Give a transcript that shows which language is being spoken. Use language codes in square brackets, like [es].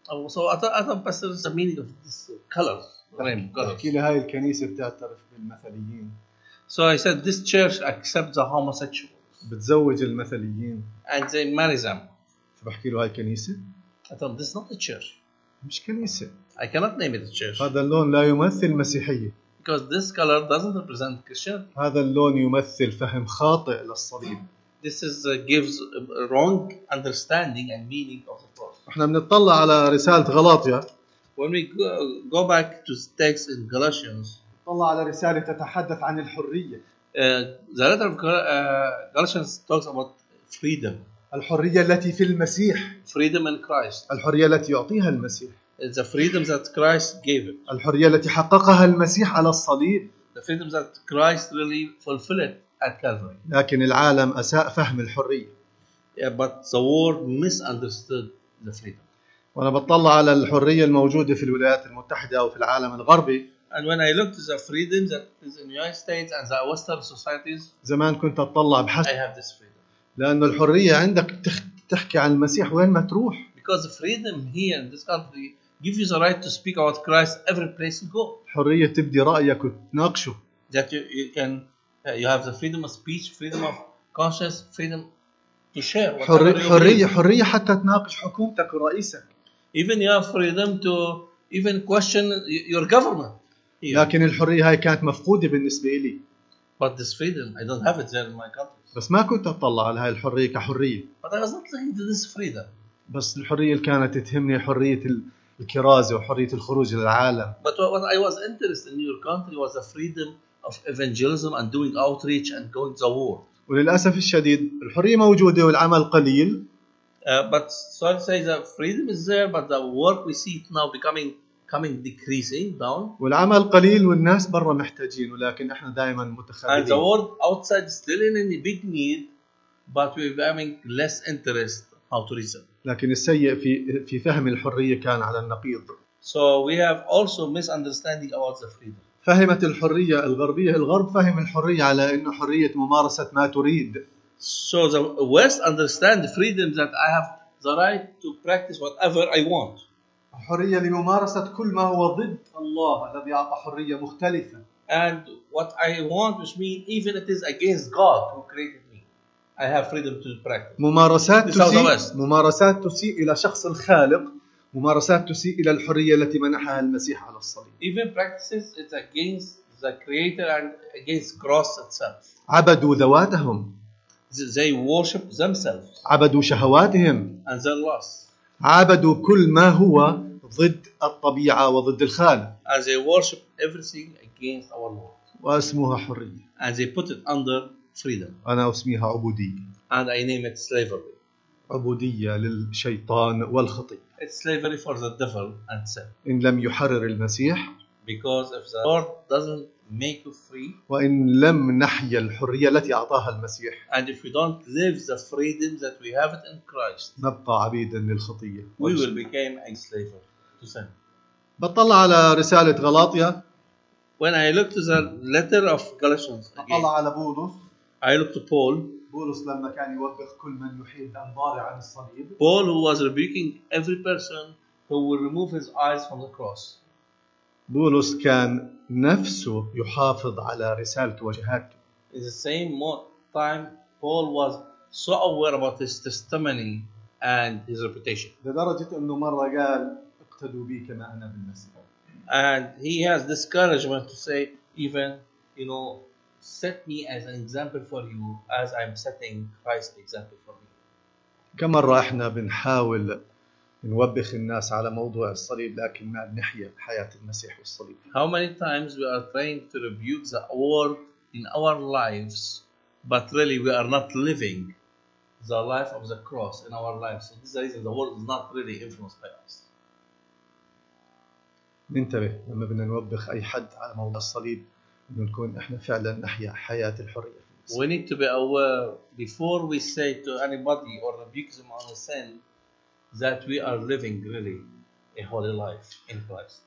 [en] So I thought but there's the meaning of this colors, rainbow colors. [ar] بحكي له هاي الكنيسة بتعترف بالمثليين. [en] So I said this church accepts the homosexuals. [ar] بتزوج المثليين. [en] And they marry them. [ar] فبحكي له هاي الكنيسة. [en] I thought this is not a church. [ar] مش كنيسة. [en] I cannot name it a church. [ar] هذا اللون لا يمثل مسيحية. [en] Because this color doesn't represent Christian. [ar] هذا اللون يمثل فهم خاطئ للصليب. [en] This is gives wrong understanding and meaning of the cross. [ar] احنا بنطلع على رسالة غلاطية. [en] When we go back to the text in Galatians. [ar] نطلع على رسالة تتحدث عن الحرية. [en] The letter of Galatians talks about freedom. [ar] الحرية التي في المسيح. [en] Freedom in Christ. [ar] الحرية التي يعطيها المسيح. [en] The freedom that Christ gave him. [ar] الحرية التي حققها المسيح على الصليب. [en] The freedom that Christ really fulfilled at Calvary. [ar] لكن العالم أساء فهم الحرية. [en] Yeah, but the world misunderstood the freedom. [ar] وأنا بطلع على الحرية الموجودة في الولايات المتحدة أو في العالم الغربي. [en] And when I looked at the freedom that is in the United States and the Western societies. [ar] زمان كنت أطلع بحسب. [en] I have this freedom. [ar] لأن الحرية عندك تحكي عن المسيح وين ما تروح. [en] Because freedom here in this country gives you the right to speak about Christ every place you go. [ar] حرية تبدي رأيك وتناقشه. [en] That you have the freedom of speech, freedom of conscience, freedom to share. [ar] حرية حتى تناقش حكومتك ورئيسك. [en] Even you have freedom to even question your government. Here. [ar] لكن الحرية هاي كانت مفقودة بالنسبة لي. [en] But this freedom, I don't have it there in my country. [ar] بس ما كنت أطلع على هاي الحرية كحرية. [en] But I was not looking to this freedom. [ar] بس الحرية اللي كانت تهمني حرية الكرازة وحرية الخروج للعالم. [en] But what I was interested in your country was the freedom of evangelism and doing outreach and going to the world. [ar] وللأسف الشديد الحرية موجودة والعمل قليل. [en] But so I'd say that freedom is there, but the work we see it now becoming decreasing down. [ar] والعمل قليل والناس برا محتاجين ولكن إحنا دائما متخلفين. [en] And the world outside still in any big need, but we're becoming less interest how to reason. [ar] لكن السيء في فهم الحرية كان على النقيض. [en] So we have also misunderstanding about the freedom. [ar] فهمت الحرية الغربية الغرب فهم الحرية على إنه حرية ممارسة ما تريد. [en] So the West understand freedom that I have the right to practice whatever I want. [ar] حرية لممارسة كل ما هو ضد الله الذي أعطى حرية مختلفة. [en] And what I want, which means even it is against God who created me, I have freedom to practice. [ar] ممارسات تسيء إلى شخص الخالق. ممارسات تسيء إلى الحرية التي منحها المسيح على الصليب. [en] Even practices it's against the Creator and against cross itself. [ar] عبدوا ذواتهم. [en] They worship themselves. [ar] عبدوا شهواتهم. [en] And their lusts. [ar] عبدوا كل ما هو ضد الطبيعة وضد الخالق. [en] And they worship everything against our Lord. [ar] واسمها حرية. [en] And they put it under freedom. [ar] أنا أسميها عبودية. [en] And I name it slavery. [ar] عبودية للشيطان والخطيئة. [en] It's slavery for the devil and sin. [ar] إن لم يحرر المسيح. [en] Because if the Lord doesn't make you free. [ar] وإن لم نحيا الحرية التي أعطاها المسيح. [en] And if we don't live the freedom that we have it in Christ. [ar] نبقى عبيدا للخطية. [en] We will become a slave to sin. [ar] بطلع على رسالة غلاطية. [en] When I looked to the letter of Galatians. [ar] بطلع على بولس. [en] I looked to Paul. [ar] بولس لما كان يوبخ كل من يحيد أنظاره عن الصليب. [en] Paul who was rebuking every person who will remove his eyes from the cross. [ar] بولس كان نفسه يحافظ على رسالته وجهاته. [en] In the same time, Paul was so aware about his testimony and his reputation. [ar] لدرجة إنه مرة قال اقتدوا بي كما أنا بالمسيح. [en] And he has discouragement to say even, you know, set me as an example for you as I'm setting Christ example for me. [ar] كم مرة احنا بنحاول نوبخ الناس على موضوع الصليب لكن ما بنحيا حياة المسيح والصليب. [en] How many times we are trying to rebuke the world in our lives but really we are not living the life of the cross in our lives. So this is the reason the world is not really influenced by us. [ar] ننتبه لما بدنا نوبخ اي حد على موضوع الصليب نكون احنا فعلا نحيا حياة الحرية. [en] We need to be aware before we say to anybody or rebuke them on a sin that we are living really a holy life in Christ.